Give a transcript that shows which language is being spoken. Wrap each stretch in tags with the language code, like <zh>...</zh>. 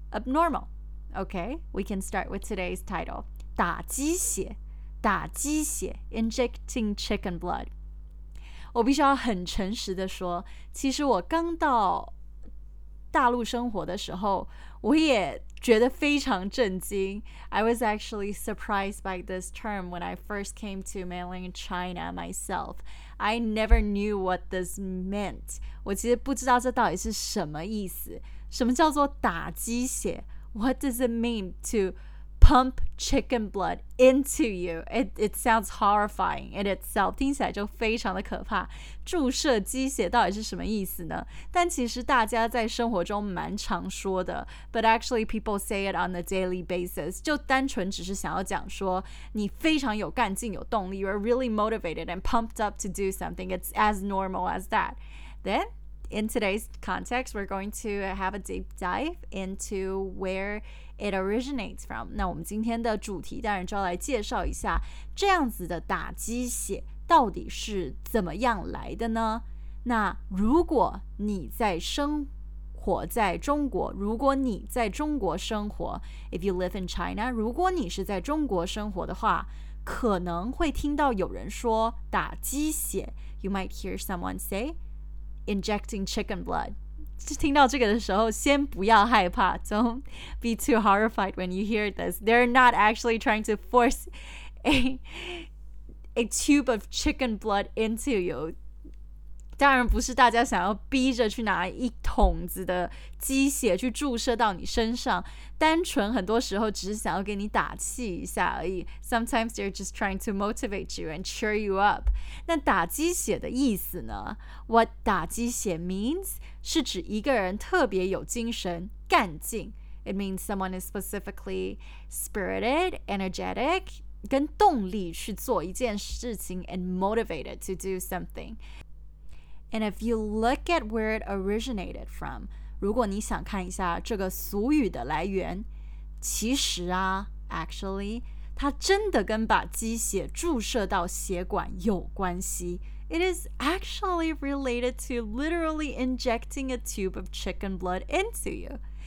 <en>abnormal. Okay, we can start with today's title</en> <zh>打鸡血打鸡血</zh> <en>injecting chicken blood.</en> <zh>我必须要很诚实的说，其实我刚到大陆生活的时候，我也觉得非常震惊。</zh> <en>I was actually surprised by this term when I first came to mainland China myself. I never knew what this meant.</en> <zh>我其实不知道这到底是什么意思。什么叫做打鸡血？</zh> <en>What does it mean to pump chicken blood into you. It sounds horrifying in itself.</en> <zh>听起来就非常的可怕。注射鸡血到底是什么意思呢？但其实大家在生活中蛮常说的。</zh> <en>But actually people say it on a daily basis.</en> <zh>就单纯只是想要讲说你非常有干劲有动力。</zh> <en>You are really motivated and pumped up to do something. It's as normal as that. Then, in today's context, we're going to have a deep dive into where it originates from.</en> <zh>那我们今天的主题当然就要来介绍一下这样子的打鸡血到底是怎么样来的呢？那如果你在生活在中国，如果你在中国生活</zh> <en>if you live in China,</en> <zh>如果你是在中国生活的话，可能会听到有人说打鸡血</zh> <en>you might hear someone say injecting chicken blood.</en> <zh>听到这个的时候先不要害怕</zh> <en>Don't be too horrified when you hear this. They're not actually trying to force a tube of chicken blood into you.</en> <zh>当然不是大家想要逼着去拿一桶子的鸡血去注射到你身上单纯很多时候只是想要给你打气一下而已</zh> <en>Sometimes they're just trying to motivate you and cheer you up.</en> <zh>那打鸡血的意思呢</zh> <en>What</en> <zh>打鸡血</zh> <en>means?</en> <zh>是指一个人特别有精神、干劲。</zh> <en>It means someone is specifically spirited, energetic,</en> <zh>跟动力去做一件事情</zh> <en>and motivated to do something. And if you look at where it originated from,</en> <zh>如果你想看一下这个俗语的来源，其实啊</zh> <en>actually</en> <zh>它真的跟把鸡血注射到血管有关系。</zh> <en>It is actually related to literally injecting a tube of chicken blood into you.</en>